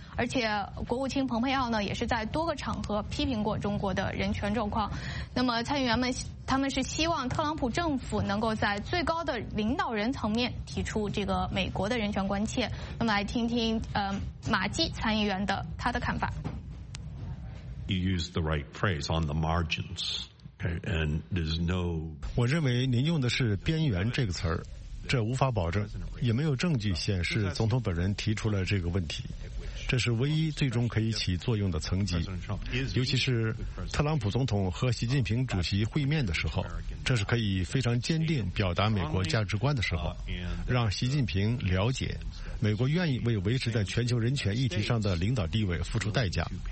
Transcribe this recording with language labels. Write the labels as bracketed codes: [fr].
[zh] 而且国务卿蓬佩奥呢，也是在多个场合批评过中国的人权状况。那么参议员们他们是希望特朗普政府能够在最高的领导人层面提出这个美国的人权关切。那么来听听马基参议员的他的看法。 [en] You use the right phrase, on the margins, okay, and there's no. [zh] 我认为您用的是边缘这个词儿，这无法保证，也没有证据显示总统本人提出了这个问题。这是唯一最终可以起作用的层级，尤其是特朗普总统和习近平主席会面的时候，这是可以非常坚定表达美国价值观的时候，让习近平了解美国愿意为维持在全球人权议题上的领导地位付出代价。